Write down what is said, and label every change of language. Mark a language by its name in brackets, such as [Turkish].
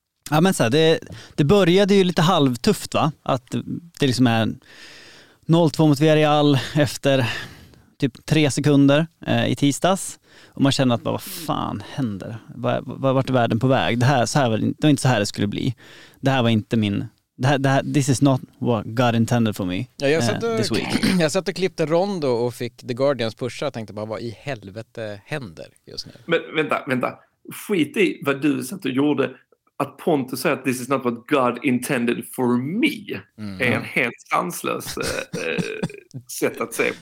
[Swedish] Ja, men så här, det började ju lite halvtufft, va? Att det liksom är 0-2 mot Villarreal efter typ 3 sekunder i tisdags. Och man känner att bara, vad fan händer? Vart är världen på väg? Det var inte så här det skulle bli. Det här var inte min... [English] This is not what God intended for me. [Swedish] Ja, jag satt och klippte Rondo och fick The Guardians pusha. Jag tänkte bara, vad i helvete händer just nu? Men vänta. Skit i vad du satt och gjorde. Att Pontus säger att [English] this is not what God intended for me [Swedish] är en helt sanslös sätt att säga.